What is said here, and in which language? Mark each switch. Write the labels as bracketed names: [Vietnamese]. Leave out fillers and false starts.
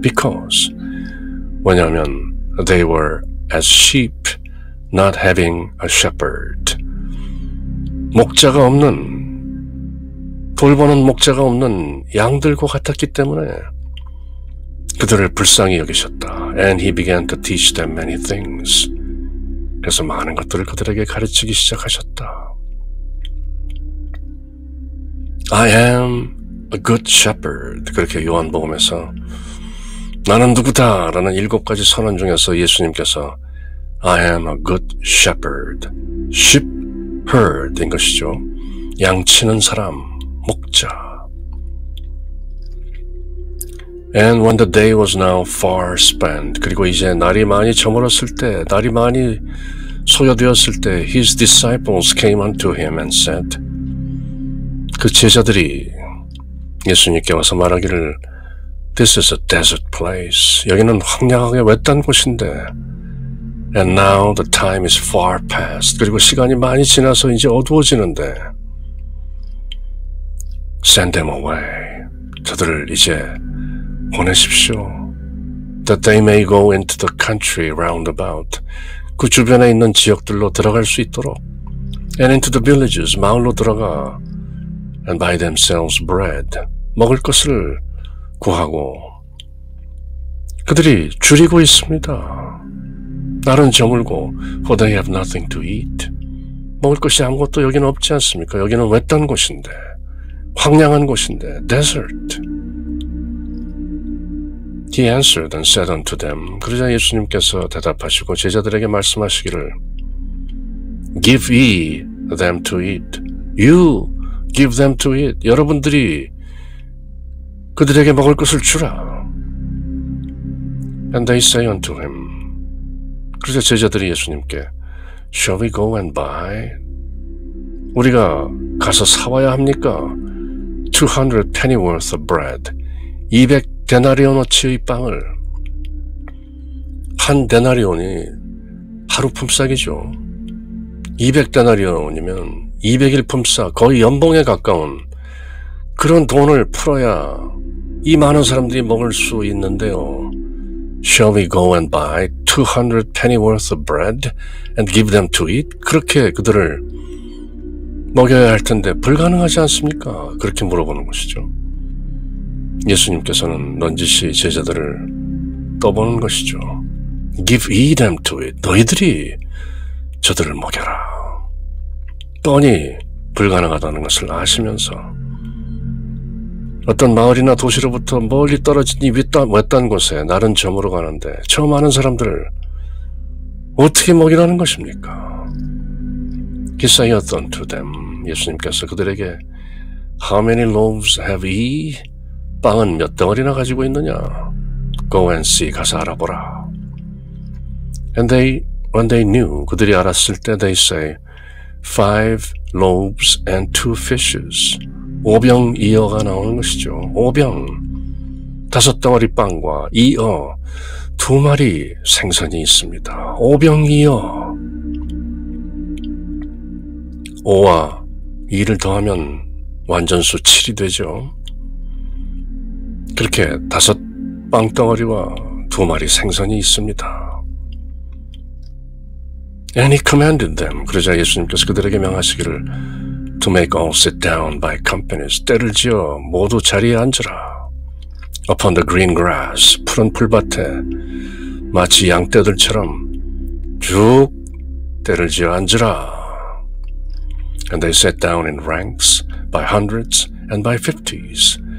[English] Because, [Korean] 왜냐하면 [English] they were as sheep, not having a shepherd. [Korean] 목자가 없는, 돌보는 목자가 없는 양들과 같았기 때문에 그들을 불쌍히 여기셨다. [English] And he began to teach them many things. [Korean] 그래서 많은 것들을 그들에게 가르치기 시작하셨다. [English] I am a good shepherd. [Korean] 그렇게 요한복음에서 나는 누구다? 라는 일곱 가지 선언 중에서 예수님께서 [English] I am a good shepherd. [Korean] Sheep herd인 것이죠. 양치는 사람, 목자. [English] And when the day was now far spent. [Korean] 그리고 이제 날이 많이 저물었을 때, 날이 많이 소요되었을 때 [English] His disciples came unto him and said [Korean] 그 제자들이 예수님께 와서 말하기를 [English] This is a desert place. [Korean] 여기는 황량하게 외딴 곳인데 [English] And now the time is far past. [Korean] 그리고 시간이 많이 지나서 이제 어두워지는데 [English] Send them away. [Korean] 저들을 이제 보내십시오. [English] That they may go into the country round about. [Korean] 그 주변에 있는 지역들로 들어갈 수 있도록 [English] And into the villages, [Korean] 마을로 들어가 [English] And buy themselves bread. [Korean] 먹을 것을 구하고 그들이 줄이고 있습니다. 날은 저물고 [English] For they have nothing to eat. [Korean] 먹을 것이 아무것도 여기는 없지 않습니까? 여기는 외딴 곳인데 황량한 곳인데 Desert. [English] He answered and said unto them. [Korean] 그러자 예수님께서 대답하시고 제자들에게 말씀하시기를 [English] Give ye them to eat. You give them to eat. [Korean] 여러분들이 그들에게 먹을 것을 주라. [English] And they say unto him. [Korean] 그러자 제자들이 예수님께 [English] Shall we go and buy? [Korean] 우리가 가서 사와야 합니까? [English] 200 pennyworth of bread. [Korean] 200 데나리온어치의 빵을 한 데나리온이 하루 품삯이죠. 200 데나리온이면 200일 품삯 거의 연봉에 가까운 그런 돈을 풀어야 이 많은 사람들이 먹을 수 있는데요. [English] Shall we go and buy 200 pennyworth of bread and give them to eat? [Korean] 그렇게 그들을 먹여야 할 텐데 불가능하지 않습니까? 그렇게 물어보는 것이죠. 예수님께서는 넌지시 제자들을 떠보는 것이죠. Give ye them to it. 너희들이 저들을 먹여라. 뻔히 불가능하다는 것을 아시면서 어떤 마을이나 도시로부터 멀리 떨어진 이 외딴 곳에 날은 저물어 가는데 처음 아는 사람들을 어떻게 먹이라는 것입니까? [English] He said unto them. [Korean] 예수님께서 그들에게 [English] How many loaves have ye? [Korean] 빵은 몇 덩어리나 가지고 있느냐? [English] Go and see. [Korean] 가서 알아보라. [English] And they, when they knew, [Korean] 그들이 알았을 때, [English] they say, five loaves and two fishes. [Korean] 5병 2어가 나오는 것이죠. 5병. 5덩어리 빵과 2어, 두 마리 생선이 있습니다. 오병이어. 5와 2를 더하면 완전수 7이 되죠. 그렇게 다섯 빵덩어리와 두 마리 생선이 있습니다. [English] And he commanded them. [Korean] 그러자 예수님께서 그들에게 명하시기를 [English] To make all sit down by companies. [Korean] 때를 지어 모두 자리에 앉으라. [English] Upon the green grass. [Korean] 푸른 풀밭에 마치 양떼들처럼 쭉 때를 지어 앉으라. [English] And they sat down in ranks by hundreds and by fifties.